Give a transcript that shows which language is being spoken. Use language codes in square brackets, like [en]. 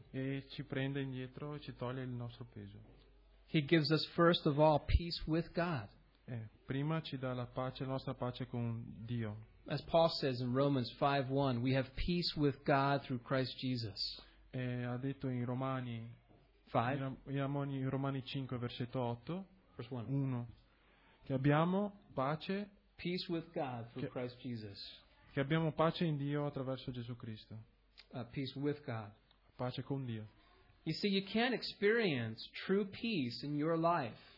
[it] E ci prende indietro e ci toglie il nostro peso. [en] He gives us first of all peace with God. [it] Prima ci dà la pace, la nostra pace con Dio. [en] As Paul says in Romans 5:1, we have peace with God through Christ Jesus. [it] E ha detto in Romani 5 versetto 8, [en] verse [it] 1, che abbiamo pace, [en] peace with God through Christ Jesus. [it] Che abbiamo pace in Dio attraverso Gesù Cristo. [en] Peace with God. [it] Pace con Dio. [en] You see, you can't experience true peace in your life.